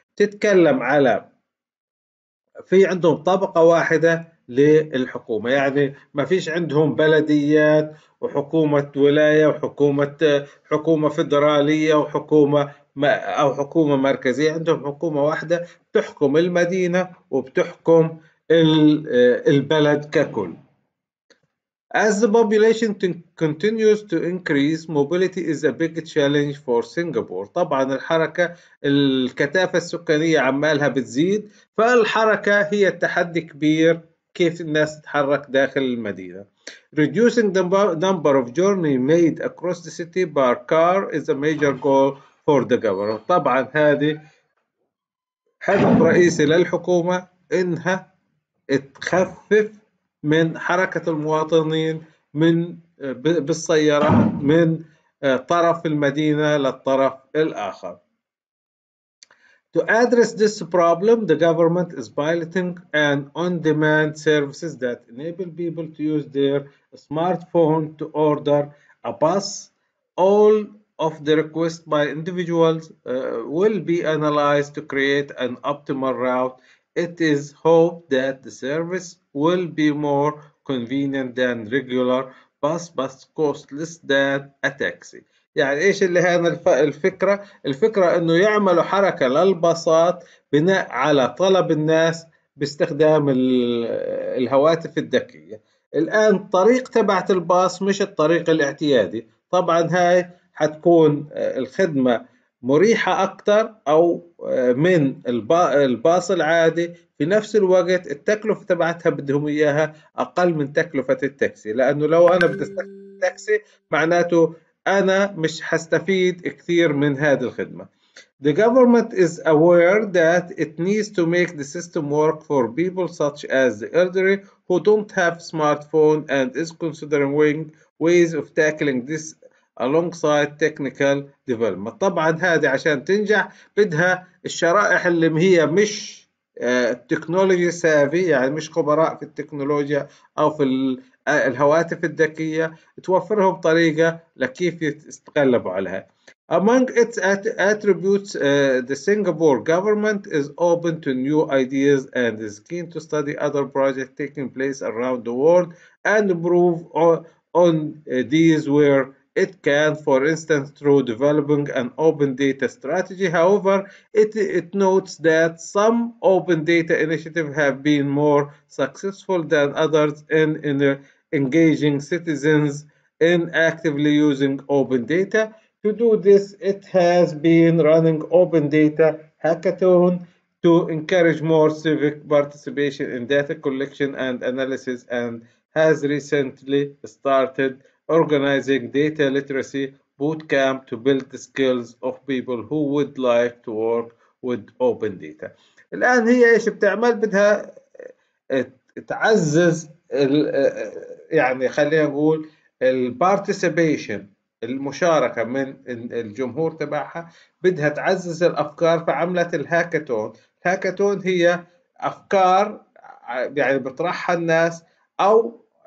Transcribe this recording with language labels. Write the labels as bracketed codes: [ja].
[ar] تتكلم على في عندهم طبقة واحدة للحكومة، يعني ما فيش عندهم بلديات وحكومة ولاية وحكومة حكومة فدرالية وحكومة أو حكومة مركزية، عندهم حكومة واحدة بتحكم المدينة وبتحكم البلد ككل. [en] As the population continues to increase, mobility is a big challenge for Singapore. [ar] طبعا الحركة الكثافة السكانية عمالها بتزيد، فالحركة هي التحدي كبير كيف الناس تتحرك داخل المدينة. [en] Reducing the number of journey made across the city by car is a major goal for the government. [ar] طبعا هذه هدف رئيسي للحكومة انها تخفف من حركة المواطنين من بالسيارات من طرف المدينة للطرف الآخر. [en] To address this problem, the government is piloting an on-demand services that enable people to use their smartphone to order a bus. All of the requests by individuals will be analyzed to create an optimal route. It is hoped that the service will be more convenient than regular bus, but cost less than a taxi. [ar] يعني ايش اللي هنا الفكرة؟ الفكرة انه يعملوا حركة للباصات بناء على طلب الناس باستخدام الهواتف الذكية. الان طريق تبعت الباص مش الطريق الاعتيادي، طبعا هاي حتكون الخدمة مريحة أكثر أو من الباص العادي، في نفس الوقت التكلفة تبعتها بدهم إياها أقل من تكلفة التاكسي، لأنه لو أنا بدي استخدم التاكسي معناته أنا مش هستفيد كثير من هذه الخدمة. [en] The government is aware that it needs to make the system work for people such as the elderly who don't have smartphone and is considering ways of tackling this alongside technical development. [ar] طبعا هذه عشان تنجح بدها الشرائح اللي هي مش تكنولوجي سافي، يعني مش خبراء في التكنولوجيا او في الهواتف الذكية، توفرهم طريقة لكيف يتغلبوا عليها. [en] Among its attributes, the Singapore government is open to new ideas and is keen to study other projects taking place around the world and improve on these where it can, for instance, through developing an open data strategy. However, it notes that some open data initiatives have been more successful than others in engaging citizens in actively using open data. To do this, it has been running open data hackathon to encourage more civic participation in data collection and analysis, and has recently started organizing data literacy bootcamp to build the skills of people who would like to work with open data. [ar] الآن هي إيش بتعمل؟ بدها تعزز يعني خلينا نقول الparticipation، المشاركة من الجمهور تبعها، بدها تعزز الأفكار، فعملت الهاكاتون. الهاكاتون هي أفكار يعني بطرحها الناس أو